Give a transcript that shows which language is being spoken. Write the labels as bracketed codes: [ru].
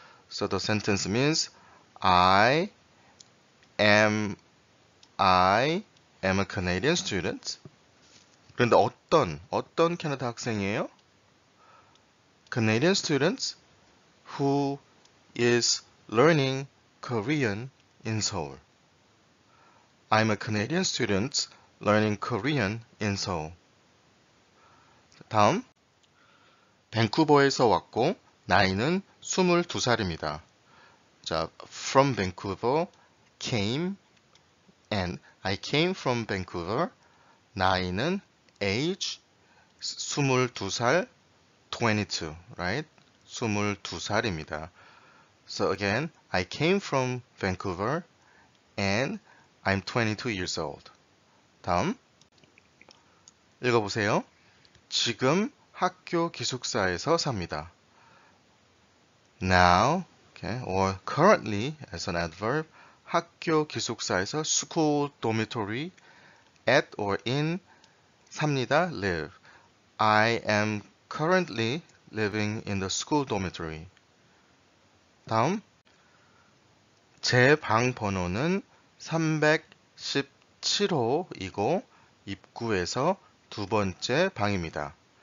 [en] So the sentence means I am a Canadian student. [ko] 그런데 어떤 캐나다 학생이에요? [en] Canadian students who is learning Korean in Seoul. I'm a Canadian student learning Korean in Seoul. [ko] 다음, 밴쿠버에서 왔고 나이는 22살입니다. [en] 자, from Vancouver came and I came from Vancouver. [ko] 나이는 age 22살, 22, right? 22살입니다. [en] So again, I came from Vancouver and I'm 22 years old. [ko] 다음, 읽어보세요. 지금 학교 기숙사에서 삽니다. [en] Now, okay, or currently as an adverb, [ko] 학교 기숙사에서 [en] school dormitory at or in [ko] 삽니다. [en] Live. I am currently living in the school dormitory. [ko] 다음, 제방 번호는 317호이고 입구에서 두 번째 방입니다.